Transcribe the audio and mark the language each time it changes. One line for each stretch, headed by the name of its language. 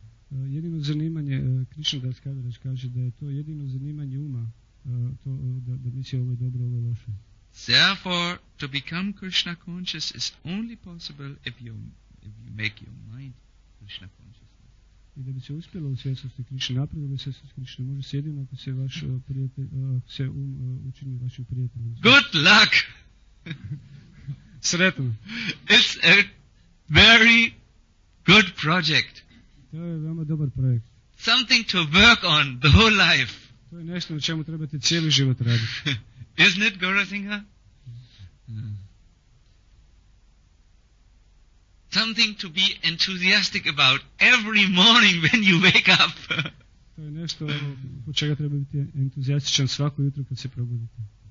Croatian: Jedino zanimanje, Krishna Das Kaviraj kaže da je to jedino zanimanje uma, da misli ovo je dobro, ovo je loše.
English: Therefore, to become Krishna conscious is only possible if you make your mind Krishna conscious.
Croatian: I da bi se uspjelo u svjesnosti Krišne, napravilo se svjesnosti Krišne, može se jedino ako se vaš prijatelj, se učini vašim prijateljem.
English: Good luck!
Croatian: Sretno.
English: It's a very good project.
Croatian: To je veoma dobar projekt.
English: Something to work on the whole life.
Croatian: To je nešto na čemu trebate cijeli život raditi.
English: Isn't it, Gaurasinghe? Something to be enthusiastic about every morning when you wake up.
Croatian: To je nešto od čega treba biti entuzijastičan svako jutro kad se probudite.